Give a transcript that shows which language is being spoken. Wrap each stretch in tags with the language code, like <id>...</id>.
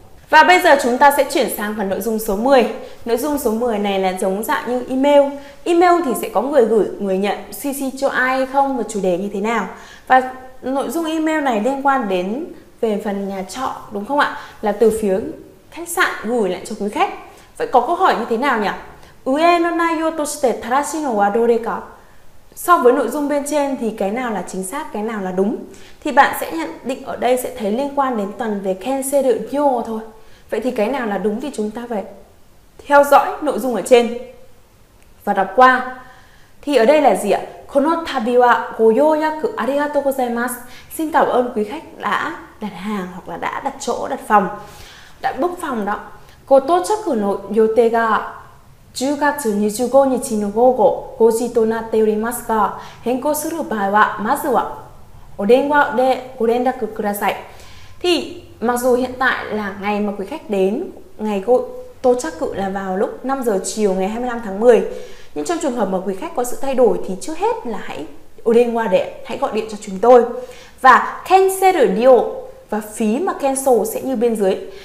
<vi>Và bây giờ chúng ta sẽ chuyển sang phần nội dung số 10. Nội dung số 10 này là giống dạng như email. Email thì sẽ có người gửi, người nhận, CC cho ai hay không và chủ đề như thế nào. Và nội dung email này liên quan đến về phần nhà trọ, đúng không ạ? Là từ phía khách sạn gửi lại cho quý khách. Vậy có câu hỏi như thế nào nhỉ?</vi> <ja>上の内容として正しいのはどれか?</ja> <vi>So với nội dung bên trên thì cái nào là chính xác, cái nào là đúng? Thì bạn sẽ nhận định ở đây sẽ thấy liên quan đến toàn về cancel yo thôi. Vậy thì cái nào là đúng thì chúng ta phải theo dõi nội dung ở trên và đọc qua. Thì ở đây là gì ạ?</vi> <ja>Kono tabi wa goyoyaku arigatou gozaimasu.</ja> <vi>Xin cảm ơn quý khách đã đặt hàng hoặc là đã đặt chỗ, đặt phòng, đã book phòng đó.</vi> <ja>Gotochaku no yote ga 10月 25日の午後5時となっておりますが、変更する場合はまずはお電話でご連絡ください。</ja> <vi>Thì mặc dù hiện tại là ngày mà quý khách đến, ngày tổ chức cự là vào lúc 5 giờ chiều ngày 25 tháng 10. Nhưng trong trường hợp mà quý khách có sự thay đổi thì trước hết là hãy ở điện qua để hãy gọi điện cho chúng tôi. Và cancel deal và phí mà cancel sẽ như bên dưới.</vi>